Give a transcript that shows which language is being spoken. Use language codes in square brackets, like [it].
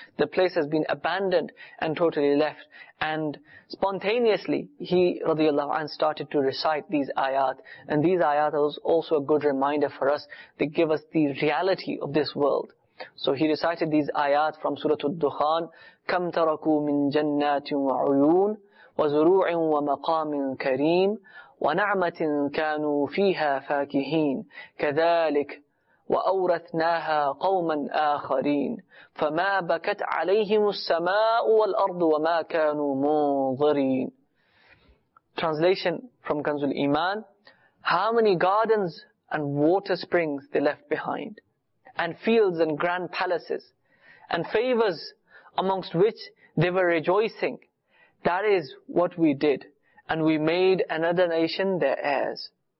[en] The place has been abandoned and totally left. And spontaneously, he radiallahu anhu started to recite these ayat. And these ayat are also a good reminder for us. They give us the reality of this world. So he recited these ayat from Surah Al-Dukhan. [ar] كَمْ تَرَكُوا مِن جَنَّاتٍ وَعُيُونَ وَزُرُوعٍ وَمَقَامٍ كَرِيمٍ وَنَعْمَةٍ كَانُوا فِيهَا فَاكِهِينَ كَذَلِكَ وأورثناها قوما آخرين فما بكت عليهم السماء والأرض وما كانوا منظرين. [en] Translation from Kanzul Iman. How many gardens and water springs they left behind, and fields and grand palaces, and favors amongst which they were rejoicing. That is what we did, and we made another nation their heirs.